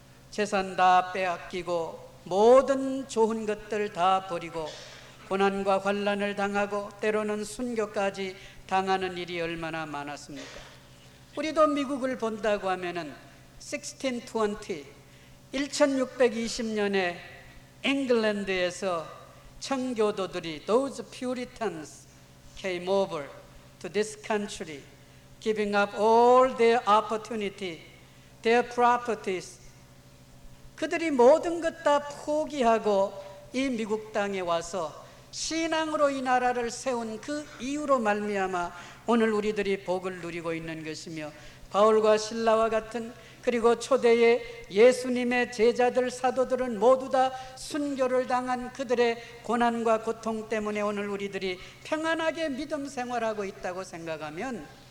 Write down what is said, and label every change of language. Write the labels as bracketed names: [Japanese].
[Korean] 재산 다 빼앗기고 모든 좋은 것들 다 버리고 고난과 환난을 당하고 때로는 순교까지 당하는 일이 얼마나 많았습니까? 우리도 미국을 본다고 하면은 1620, 1620년에 잉글랜드에서 청교도들이 [English] those Puritans came over to this country giving up all their opportunity, their properties. [Korean] 그들이 모든 것 다 포기하고 이 미국 땅에 와서 신앙으로 이 나라를 세운 그 이유로 말미암아 오늘 우리들이 복을 누리고 있는 것이며 바울과 실라와 같은 그리고 초대에 예수님의 제자들 사도들은 모두 다 순교를 당한 그들의 고난과 고통 때문에 오늘 우리들이 평안하게 믿음 생활하고 있다고 생각하면